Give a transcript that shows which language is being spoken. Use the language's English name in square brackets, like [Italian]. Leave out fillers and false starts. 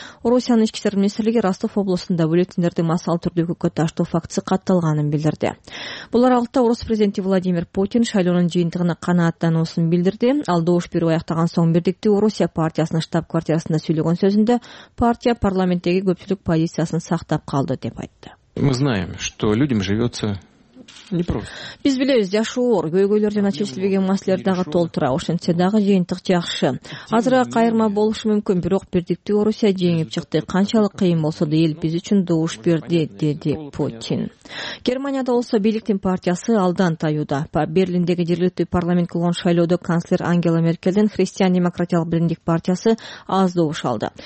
[Kyrgyz] Орусиянын ички иштер министрлиги Ростов облусунда бюллетендерди массалык түрдө өкүккө таштоо фактысы катталганын билдирди. Бул аралыкта орус президенти Владимир Путин шайлоонун жыйынтыгына канааттануусун билдирди. Ал добуш берүү аяктаган соң бирдиктүү Орусия партиясынын штаб квартирасында сүйлөгөн сөзүндө партия парламенттеги көпчүлүк позициясын сактап калды деп айтты. [Russian] Мы знаем, что людям живется Не просто. [Kyrgyz] Биз билебиз, жашоор, көйгөйлөрдөн чечилбеген маселелер дагы толтура. Ошентсе дагы жыйынтык жакшы. Азыраак кайрма болушу мүмкүн, бирок бирдиктүү Орусия жеңип чыкты. Канчалык кыйын болсо да эл биз үчүн добуш берди, деди Путин. Германияда болсо бийликтин партиясы алдан таюуда. Берлиндеги жергиликтүү парламент кылган шайлоодо канцлер Ангела Меркелдин Христиан демократиялык биримдик партиясы аз добуш алды.